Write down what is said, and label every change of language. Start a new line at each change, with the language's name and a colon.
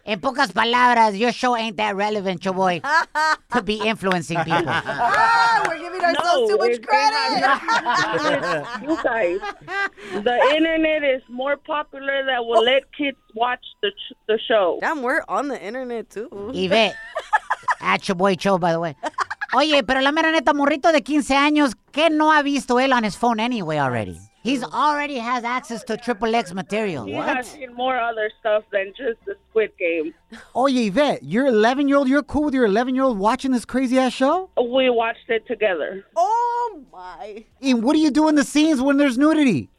Spanish: En pocas palabras,
English: your show ain't that relevant, your boy, to be influencing people. Ah, we're giving ourselves too much credit. You guys, the internet is more popular that will let kids watch the show. Damn, we're on the internet, too. Yvette, at your boy show, by the way.
Spanish: Oye, pero la mera neta, morrito de 15 años, ¿qué no ha visto él
English: on his phone anyway already? He's already has access to XXX material. He what? He's seen more other stuff than just the Squid Game. Oye, Yvette, you're 11-year-old. You're cool with your 11-year-old watching this crazy-ass show? We watched it together. Oh, my. And what do you do in the scenes when there's nudity?